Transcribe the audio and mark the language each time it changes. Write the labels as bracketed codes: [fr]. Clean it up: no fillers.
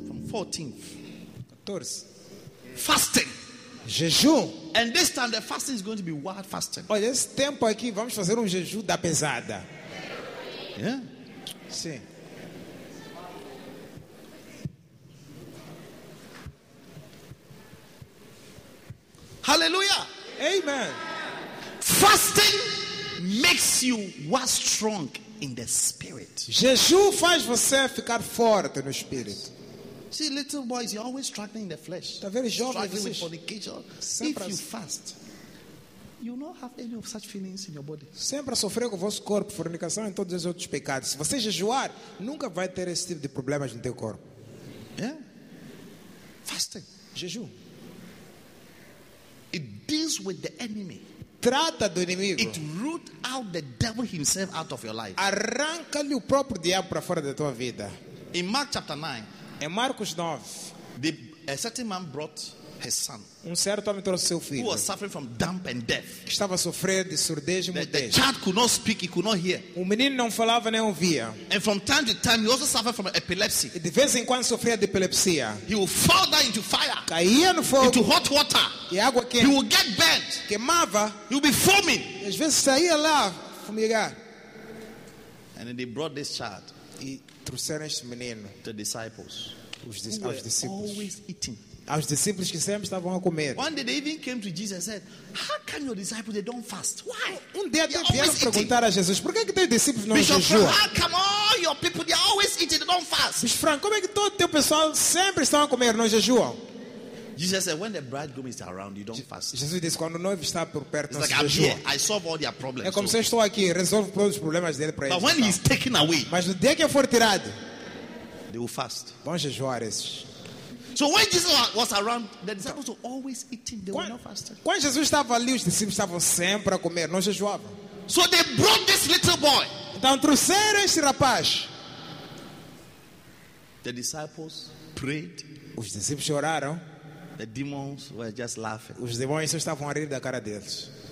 [en] Fourteenth. [pt] 14. [en] Fasting. [pt] Jejum. [en] And this time the fasting is going to be wild fasting. [pt] Olha, esse tempo aqui vamos fazer jejum da pesada. [en] Yeah? [pt] Sim. [en] Hallelujah. [pt] Amen. [en] Fasting makes you what strong in the spirit. [pt] Jejum faz você ficar forte no espírito. [en] See, little boys, you're always struggling in the flesh. [pt] Tá vendo, jovens, [en] struggling with fornication. [pt] Sempre [en] if you fast, you don't have any of such feelings in your body. [pt] Sempre a sofrer com o vosso corpo, fornicação e todos os outros pecados. Se você jejuar, nunca vai ter esse tipo de problemas no teu corpo. [en] Yeah? Fasting. [pt] Jejum. [en] It deals with the enemy. [pt] Trata do inimigo. [en] It root out the devil himself out of your life. [pt] Arranca-lhe o próprio diabo para fora da tua vida. [en] In Mark chapter 9. [pt] Em Marcos 9, [en] a certain man brought his son. [pt] Certo homem trouxe seu filho. [en] Who was suffering from dumb and deaf. [pt] Estava a sofrer de surdez e mudez. [en] The child could not speak, he could not hear. [pt] O menino não falava nem ouvia. [en] And from time to time he also suffered from epilepsy. [pt] E de vez em quando sofria de epilepsia. [en] He would fall down into fire. [pt] Caía no fogo. [en] Into hot water. [pt] E água quente. [en] He would get burnt. [pt] Queimava. [en] He would be foaming. [pt] Às vezes saía lá fumegar. [en] And then they brought this child. [pt] E trouxeram este menino. [en] The disciples. [pt] Aos discípulos. [en] Always eating. [pt] Aos discípulos que sempre estavam a comer. [en] One day they even came to Jesus and said, "How can your disciples they don't fast? Why?" [pt] Um dia até vieram perguntar a Jesus, por que que teus discípulos não jejuam? [en] How come all your people they are always eating, they don't fast? [pt] Bicho Franco, como é que todo teu pessoal sempre estão a comer, não jejuam? [en] Jesus said, "When the bridegroom is around, you don't fast." [pt] Jesus disse, quando o noivo está por perto, não jejua. [en] It's like, "I'm here. I solve all their problems." [pt] É como se estou aqui, resolvo todos os problemas dele para eles. [en] But when he's taken away, [pt] mas no dia que for tirado, [en] they will fast. [pt] Vão jejuar esses. [en] So when Jesus was around, the disciples were always eating. They were not fasting. [pt] Quando Jesus estava ali, os discípulos estavam sempre a comer, não jejuavam. [en] So they brought this little boy. [pt] Então trouxeram esse rapaz. [en] The disciples prayed. [pt] Os discípulos choraram. [en] The demons were just laughing. [pt] Os demônios estavam a rir da cara deles.